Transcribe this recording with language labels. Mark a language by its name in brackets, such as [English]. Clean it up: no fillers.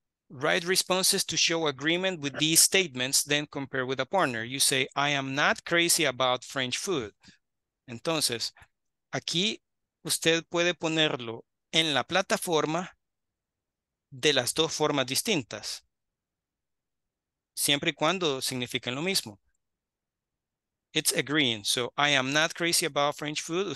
[English] Write responses to show agreement with these statements, then compare with a partner. You say, I am not crazy about French food. [Spanish] Entonces, aquí usted puede ponerlo en la plataforma de las dos formas distintas, siempre y cuando signifiquen lo mismo. [English] It's agreeing. So, I am not crazy about French food.